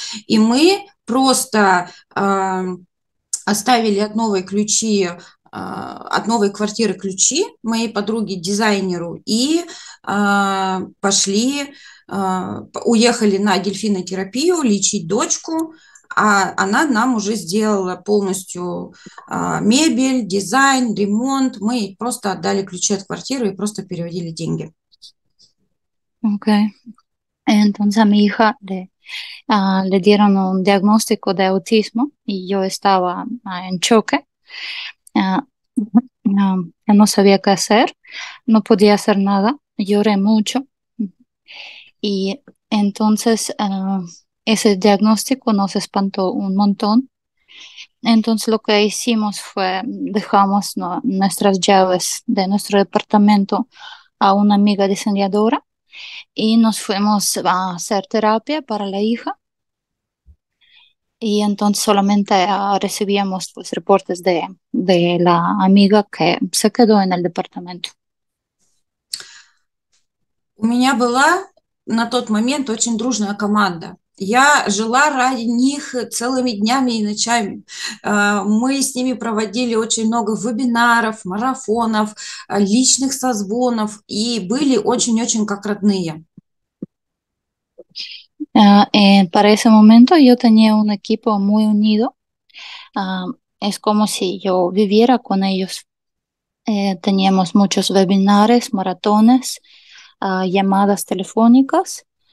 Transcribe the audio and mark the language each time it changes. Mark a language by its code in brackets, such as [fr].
[ru] И мы просто оставили от новой ключи, от новой квартиры ключи моей подруге, дизайнеру, и пошли, уехали на дельфинотерапию лечить дочку, а она нам уже сделала полностью мебель, дизайн, ремонт. Мы просто отдали ключи от квартиры и просто переводили деньги. Окей. Okay. [es] Entonces, mi hija le dieron un diagnóstico de autismo, y yo estaba en choque. No sabía qué hacer, no podía hacer nada, lloré mucho. Y entonces ese diagnóstico nos espantó un montón. Entonces lo que hicimos fue dejamos nuestras llaves de nuestro departamento a una amiga diseñadora y nos fuimos a hacer terapia para la hija. Y entonces solamente recibíamos pues, reportes de la amiga que se quedó en el departamento. [ru] У меня была на тот момент очень дружная команда. Я жила ради них целыми днями и ночами. Мы с ними проводили очень много вебинаров, марафонов, личных созвонов и были очень-очень как родные. [es] Para ese momento yo tenía un equipo muy unido. Es como si yo viviera con ellos. Teníamos muchos webinars, maratones, llamadas telefónicas.